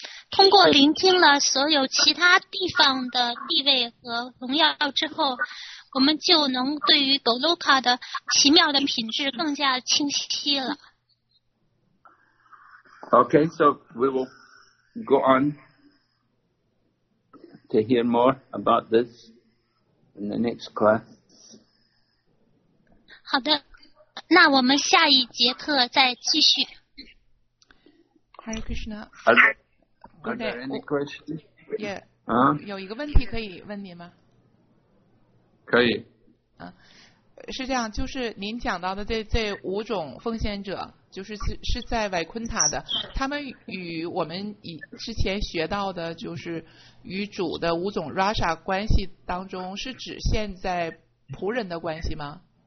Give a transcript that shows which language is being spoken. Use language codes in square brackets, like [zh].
[zh] 通过聆听了所有其他地方的地位和荣耀之后，我们就能对于 Goloka 的奇妙的品质更加清晰了。 [en] Okay, so we will go on to hear more about this. In the next class. [zh] 好的，那我们下一节课再继续。 [en] Hare Krishna. Are there any questions? Yeah. [zh] 有一个问题可以问您吗？可以。是这样，就是您讲到的这五种奉献者，就是在维昆塔的，他们与我们之前学到的，就是与主的五种 rasa 关系当中，是只限在仆人的关系吗？